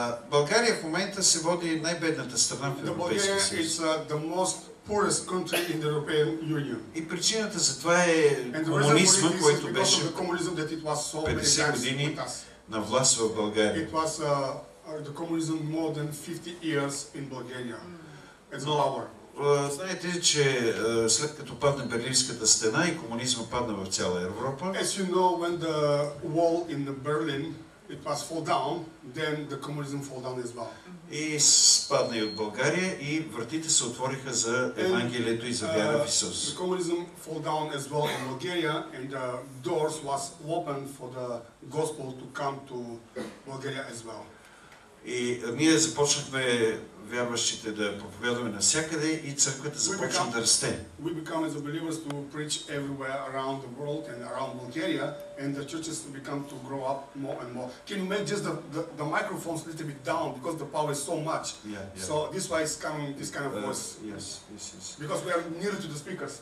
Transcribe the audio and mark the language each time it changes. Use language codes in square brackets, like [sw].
[bg] България в момента се води най-бедната страна в Европейския съюз. [en] Poorest country in the European Union. [bg] И причината за това е комунизма, който беше 50 години на власт в България. [en] It was the communism more than 50 years in Bulgaria. It's power. [bg] Знаете, че след като падна Берлинската стена и комунизма падна в цяла Европа. [en] As you know, when the wall in the Berlin it was fall down, then the communism fall down as well. [bg] И спадна и от България, и вратите се отвориха за Евангелието и за вяра в Исус. [en] The communism fall down as well in Bulgaria, and the doors was open for the gospel to come to Bulgaria as well. [bg] И ние започнахме вярващите да проповядваме навсякъде, и църквата започна да расте. [en] We become as believers to preach everywhere around the world and around Bulgaria, and the churches become to grow up more and more. Can you make just the microphones a little bit down, because the power is so much? Yeah. So this way is coming, this kind of voice. Yes. Because we are nearer to the speakers.